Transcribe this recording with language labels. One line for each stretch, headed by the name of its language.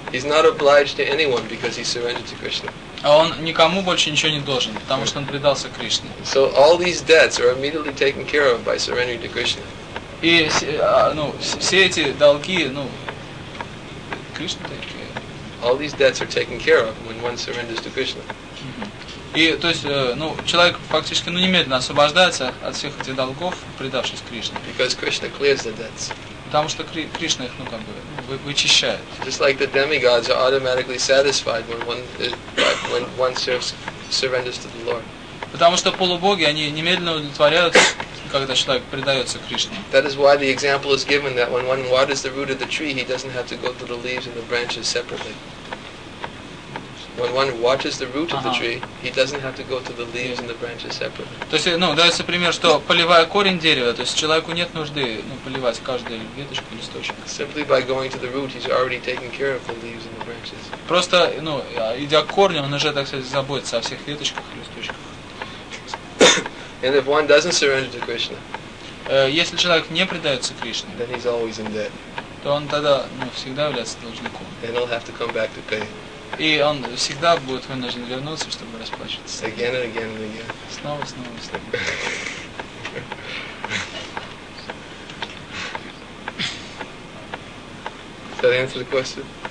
English: He's not obliged to anyone because he surrendered to Krishna.
Russian: А он никому больше ничего не должен, потому что он предался Кришне.
English: So all these debts are immediately taken care of by surrendering to Krishna.
Russian: И, ну, все эти долги, ну,
English: Кришна take care. All these debts are taken care of when one surrenders to Krishna.
Russian: И то есть, ну, человек фактически, ну, немедленно освобождается от всех этих долгов, предавшись Кришне.
English: Because Krishna clears the debts.
Russian: Потому что Кришна их, ну, как бы, вычищает.
English: Just like the demigods are automatically satisfied when one surrenders to the Lord.
Russian: Потому что полубоги, они немедленно удовлетворяются, когда человек предается Кришне.
English: That is why the example is given that when one waters the root of the tree, he doesn't have to go through the leaves and the branches separately. When one waters the root of the tree, he doesn't have to go through the leaves and the branches separately.
Russian: То есть, ну, дается пример, что поливая корень дерева, то есть человеку нет нужды, ну, поливать каждую веточку, листочек.
English: Simply by going to the root, he's already taking care of the leaves and the branches.
Russian: Просто, ну, идя к корню, он уже, так сказать, заботится о всех веточках, листочках.
English: And if one doesn't surrender to Krishna,
Russian: если человек не предается Кришне,
English: then he's always in debt.
Russian: То он тогда, ну, всегда является должником.
English: Then he'll have to come back to pay.
Russian: И он всегда будет вынужден вернуться, чтобы расплачиваться.
English: Again and again and again.
Russian: Снова, снова, снова.
English: So the answer to the question?